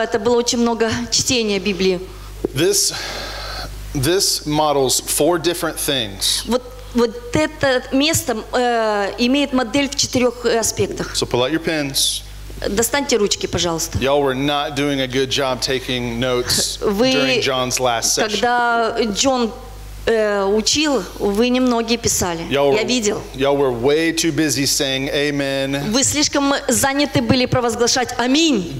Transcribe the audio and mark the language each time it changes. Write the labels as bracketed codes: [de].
[ru] Это было очень много чтения Библии. [en] This models four different things. [ru] Вот это место имеет модель в четырех аспектах. [en] So pull out your pens. [ru] Достаньте ручки, пожалуйста. [en] Y'all were not doing a good job taking notes during John's last session. [ru] Когда Джон учил, вы немногие писали. Я видел. [en] Y'all were way too busy saying amen. [ru] Вы слишком заняты были провозглашать аминь.